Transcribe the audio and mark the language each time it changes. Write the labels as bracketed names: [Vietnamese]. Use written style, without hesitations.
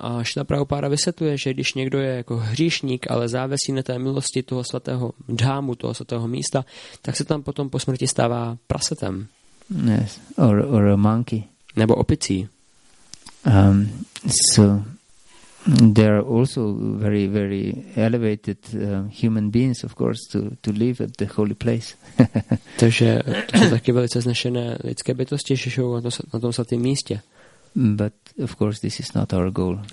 [Czech] A Šila Prabhupada vysvětluje, že když někdo je jako hříšník, ale závisí na té milosti toho svatého dhámu, toho svatého místa, tak se tam potom po smrti stává prasetem. [English] Yes, or a monkey. [Czech] Nebo opicí. [English] So there are also very, very elevated human beings, of course, to live at the holy place. [Czech] Takže to jsou taky velice znešené lidské bytosti, že jsou na tom svatém místě. [English] But, of course, this is not our goal.